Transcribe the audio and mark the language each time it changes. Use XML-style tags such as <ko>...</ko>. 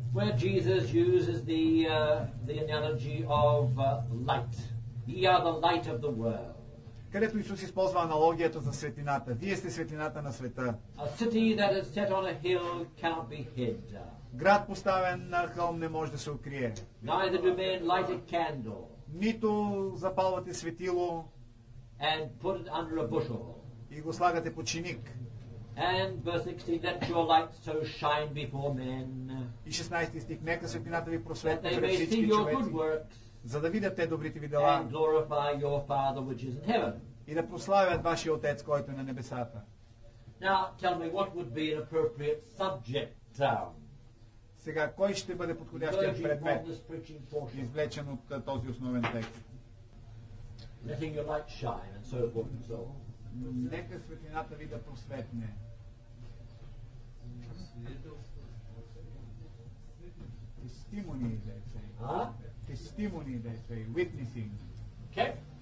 <en>Where Jesus uses the analogy of light. Ye are the light of the world.</en> <bg>Където Исус използва аналогията за светлината. Вие сте светлината на света.</bg> <en>A city that is set on a hill cannot be hid.</en> <bg>Град поставен на хълм не може да се укрие.</bg> <en>Neither do men light a candle.</en> <bg>Нито запалвате светило.</bg> <en>And put it under a bushel.</en> <bg>И го слагате под чиник.</bg> <en>And verse 16, let your light so shine before men.</en> <bg>И 16 стих, нека светлината ви просветли пред всички човеци.</bg> <en>That they may see your good works.</en> <bg>За да видят те добрите ви дела</bg> <en>and glorify your Father, which is in heaven.</en> <bg>И да прославят вашия Отец, който е на небесата.</bg> <en>Now, tell me, what would be an appropriate subject?</en> <bg>Сега, кой ще бъде подходящият предмет, извлечен от този основен текст?</bg> <en>Letting your light shine and so forth and so on.</en> <bg>Нека светлината ви да просветне.</bg> <en>Testimony, let's say. Testimony, let's say, witnessing. Okay.</en>